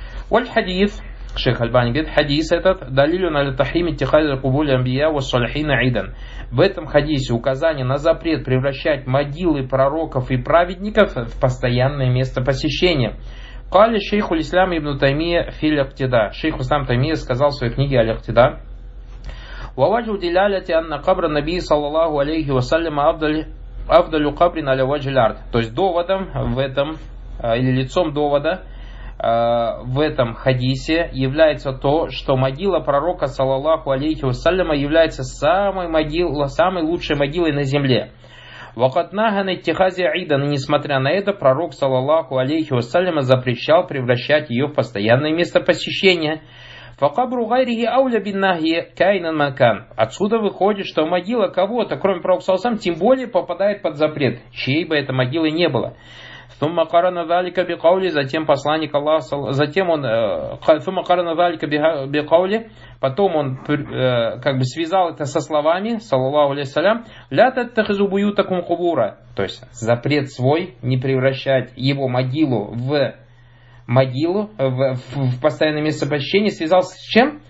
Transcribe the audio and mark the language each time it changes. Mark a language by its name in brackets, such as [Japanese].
[Arabic] والحديث شيخ الباني [Russian] говорит, [Arabic] حديث [Russian] этот [Arabic] دليل على تحريم اتخاذ قبور الأنبياء والصالحين عيدا. [Russian] В этом хадисе указание на запрет превращать могилы пророков и праведников в постоянное место посещения. [Arabic] قال الشيخ الإسلام ابن تيمية في الاقتداء. [Russian] Шейх Ислам Таймия сказал в своей книге الاقتداء. [Arabic] وواجه دلالة أن قبر النبي صلى الله عليه وسلم أفضل قبر على وجه الأرض. [Russian] То есть доводом в этом, или лицом довода в этом хадисе является то, что могила пророка صلى الله عليه وسلم является самой лучшей могилой на земле. [Arabic] وقد نهى عن اتخاذ عيدا. [Russian] Несмотря на это, пророк صلى الله عليه وسلم запрещал превращать ее в постоянное место посещения. [Arabic] فقبر غيره أولى بالنهي كائنا من كان. [Russian] Отсюда выходит, что могила кого-то, кроме пророка саллаллаху алейхи ва саллям, тем более попадает под запрет, чьей бы это могилой не было. [Arabic] ثم قرن ذلك بقوله, [Russian] затем посланник Аллаха, затем он ثم قرن ذلك بقوله, потом он как бы связал это со словами саллаллаху алейхи ва саллям, [Arabic] ля таттахизу буютакум кубура, [Russian] то есть запрет свой не превращать его могилу в могилу, в постоянное место посещения, связался с чем?